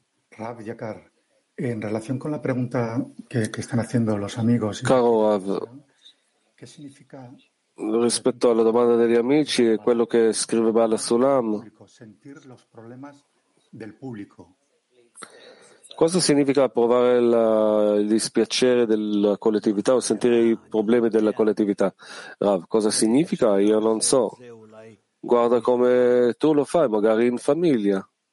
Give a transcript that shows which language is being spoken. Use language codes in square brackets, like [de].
[es] Rav Yakar, en relación con la pregunta que están haciendo los amigos. [it] Caro Rav, [es] ¿qué significa? [it] Rispetto alla domanda degli amici e quello che scrive Baal Sulam, [es] sentir los problemas del público. [it] Cosa significa provare il dispiacere della collettività o sentire i problemi della collettività? Rav, cosa significa? Io non so. Guarda come tu lo fai, magari in famiglia.